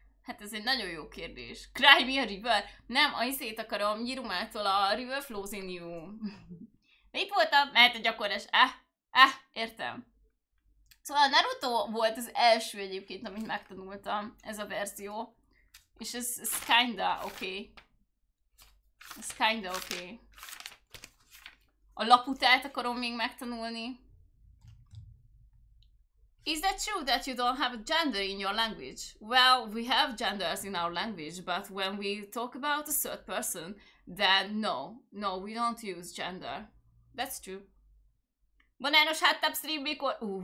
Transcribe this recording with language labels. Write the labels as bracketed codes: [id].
[hu] Hát ez egy nagyon jó kérdés. Cry me a river? Nem, a izét akarom, Jirumától a River Flows in You. Mit voltam? Mert a gyakorlás. Értem. Szóval a Naruto volt az első egyébként, amit megtanultam, ez a verzió. És ez kinda okay. Ez kinda okay. A laputát akarom még megtanulni. [en] Is that true that you don't have gender in your language? Well, we have genders in our language, but when we talk about a third person, then no, we don't use gender. That's true. [hu] Banános háttább stream mikor...